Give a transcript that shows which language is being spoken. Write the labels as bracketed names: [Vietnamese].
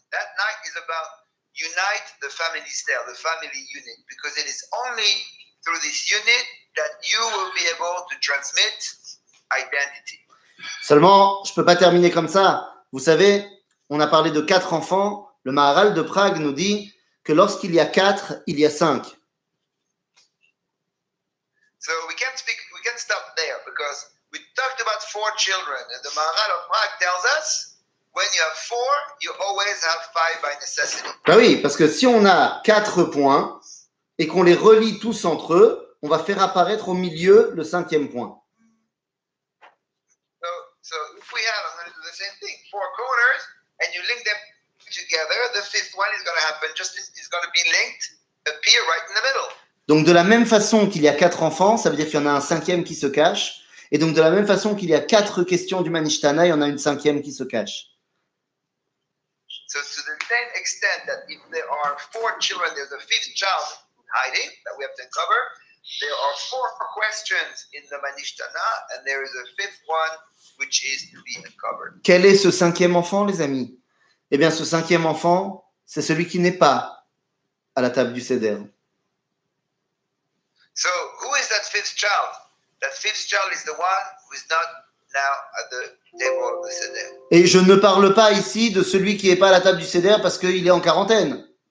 [English] That night is about unite the family style, the family unit, because it is only through this unit that you will be able to transmit identity. [French] Seulement, je peux pas terminer comme ça. Vous savez, on a parlé de quatre enfants. Le Maharal de Prague nous dit que lorsqu'il y a quatre, il y a cinq. [English] So we can stop there because we talked about four children, and the Maharal of Prague tells us. When you have four, you always have five by necessity. [French] Ben oui, parce que si on a quatre points et qu'on les relie tous entre eux, on va faire apparaître au milieu le cinquième point. [English] So if we have the same thing, four corners, and you link them together, the fifth one is going to happen. Just is going to be linked, appear right in the middle. [French] Donc de la même façon qu'il y a quatre enfants, ça veut dire qu'il y en a un cinquième qui se cache. Et donc de la même façon qu'il y a quatre questions du Manishtana, il y en a une cinquième qui se cache. [English] So to the same extent that if there are four children, there's a fifth child in hiding that we have to uncover. There are four questions in the Manishtana, and there is a fifth one which is to be uncovered. [French] Quel est ce cinquième enfant, les amis? Eh bien, ce cinquième enfant, c'est celui qui n'est pas à la table du Seder. [English] So who is that fifth child? That fifth child is the one who is not now at the [French] Et je ne parle pas ici de celui qui n'est pas à la table du CDR parce qu'il est en quarantaine.